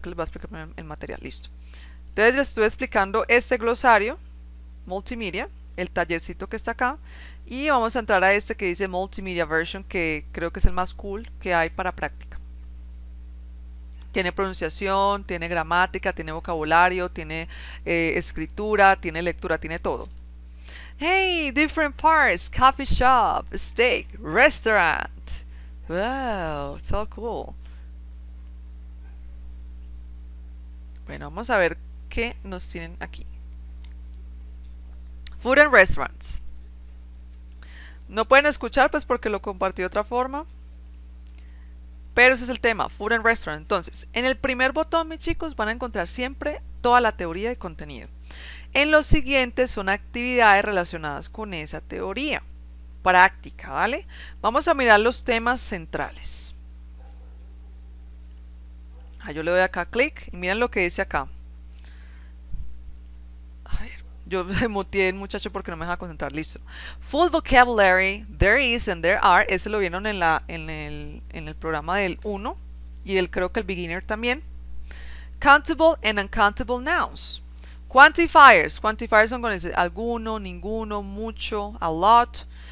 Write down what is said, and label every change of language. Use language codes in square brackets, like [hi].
[es] Que les voy a explicar el material, listo. Entonces, les estuve explicando este glosario, multimedia, el tallercito que está acá, y vamos a entrar a este que dice multimedia version, que creo que es el más cool que hay para práctica. Tiene pronunciación, tiene gramática, tiene vocabulario, tiene escritura, tiene lectura, tiene todo. [en] Hey, different parts, coffee shop, steak, restaurant. Wow, so cool. [es] Bueno, vamos a ver qué nos tienen aquí. [en] Food and restaurants. [es] No pueden escuchar, pues, porque lo compartí de otra forma. Pero ese es el tema, [en] food and restaurant. [es] Entonces, en el primer botón, mis chicos, van a encontrar siempre toda la teoría de contenido. En los siguientes son actividades relacionadas con esa teoría. Práctica, ¿vale? Vamos a mirar los temas centrales. Ah, yo le doy acá clic y miren lo que dice acá. A ver, yo me muteé el muchacho porque no me deja concentrar. Listo. [en] Full vocabulary, there is and there are. [es] Ese lo vieron en el programa del 1 y el, creo que el beginner también. [en] Countable and uncountable nouns. [es] Quantifiers. Quantifiers son con ese. Alguno, ninguno, mucho, [en] a lot.